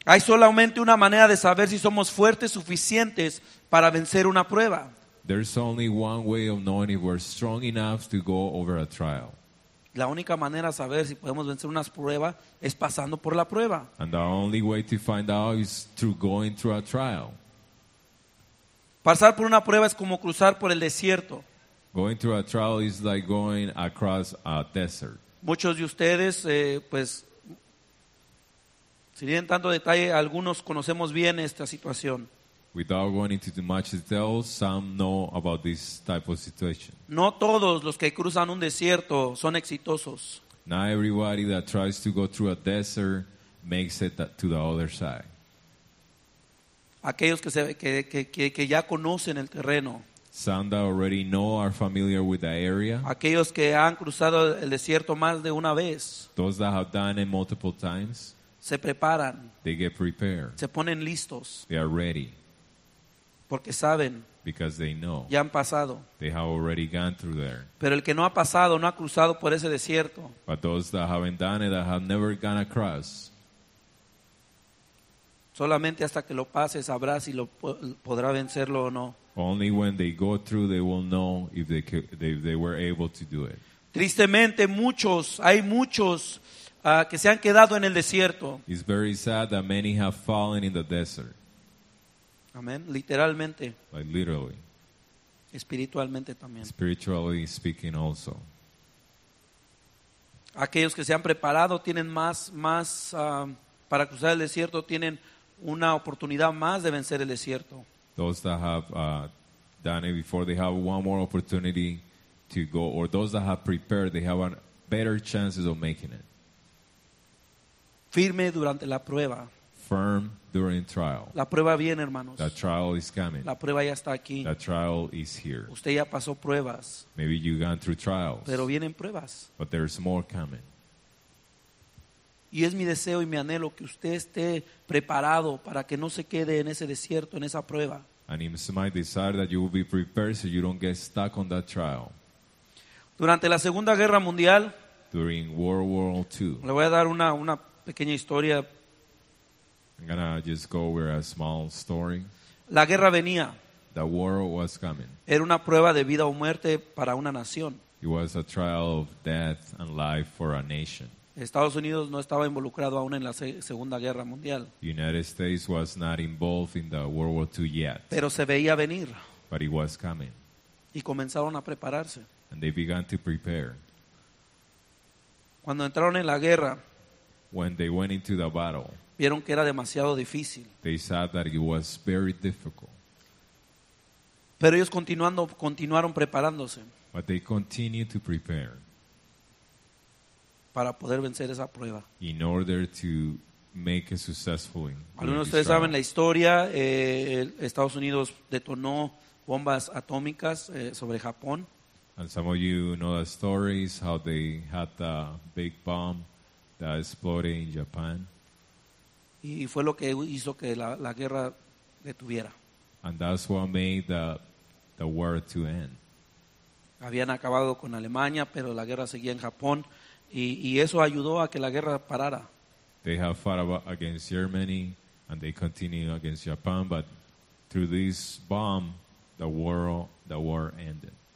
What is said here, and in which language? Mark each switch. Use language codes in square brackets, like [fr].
[es] Hay solamente una manera de saber si somos fuertes suficientes para vencer una prueba. [en] There's only one way of knowing if we're strong enough to go over a trial. [es] La única manera de saber si podemos vencer una prueba es pasando por la prueba. [en] And the only way to find out is through going through a trial. [es] Pasar por una prueba es como cruzar por el desierto. [en] Going through a trial is like going across a desert. [es] Muchos de ustedes, sin ir en tanto detalle, algunos conocemos bien esta situación. [en] Without going into too much detail, some know about this type of situation. [es] No todos los que cruzan un desierto son exitosos. [en] Not everybody that tries to go through a desert makes it to the other side. [es] Aquellos que ya conocen el terreno. [en] Sanda already know are familiar with the area. [es] Aquellos que han cruzado el desierto más de una vez. [en] Those that have done it multiple times. [es] Se preparan. [en] They get prepared. [es] Se ponen listos. [en] They are ready. [es] Porque saben. [en] Because they know. [es] Ya han pasado. [en] They have already gone through there. [es] Pero el que no ha pasado, no ha cruzado por ese desierto. [en] But those that haven't done it, that have never gone across. [es] Solamente hasta que lo pase sabrá si lo podrá vencerlo o no. [en] Only when they go through, they will know if they could, if they were able to do it. [es] Tristemente, muchos, hay muchos que se han quedado en el desierto. [en] It's very sad that many have fallen in the desert. [es] Amen. Literalmente. [en] Like literally. [es] Espiritualmente también. [en] Spiritually speaking, also. [es] Aquellos que se han preparado tienen más para cruzar el desierto tienen una oportunidad más de vencer el desierto. [en] Those that have done it before, they have one more opportunity to go. Or those that have prepared, they have better chances of making it. [es] Firme durante la prueba. [en] Firm during trial. [es] La prueba viene, hermanos. [en] The trial is coming. [es] La prueba ya está aquí. [en] The trial is here. [es] Usted ya pasó pruebas. [en] Maybe you've gone through trials. [es] Pero vienen pruebas. [en] But there's more coming. [es] Y es mi deseo y mi anhelo que usted esté preparado para que no se quede en ese desierto, en esa prueba. [en] And it's my desire that you will be prepared so you don't get stuck on that trial. [es] Durante la Segunda Guerra Mundial. [en] During World War II. [es] Le voy a dar una pequeña historia. [en] I'm gonna just go over a small story. [es] La guerra venía. [en] The war was coming. [es] Era una prueba de vida o muerte para una nación. [en] It was a trial of death and life for a nation. [es] Estados Unidos no estaba involucrado aún en la Segunda Guerra Mundial. [en] United States was not involved in the World War II yet. [es] Pero se veía venir. [en] But it was coming. [es] Y comenzaron a prepararse. [en] And they began to prepare. [es] Cuando entraron en la guerra, [en] when they went into the battle, [es] vieron que era demasiado difícil. [en] They saw that it was very difficult. [es] Pero ellos continuaron preparándose. [en] But they continued to prepare. [es] Para poder vencer esa prueba. [en] In order to make it successful. [es] Algunos de ustedes saben la historia. Estados Unidos detonó bombas atómicas sobre Japón. [en] And some of you know the stories how they had the big bomb that exploded in Japan. [es] Y fue lo que hizo que la guerra detuviera. [en] And that's what made the war to end. [es] Habían acabado con Alemania, pero la guerra seguía en Japón. Y eso ayudó a que la guerra parara. [en] They have fought against Germany and they continue against Japan, but through this bomb, the war ended.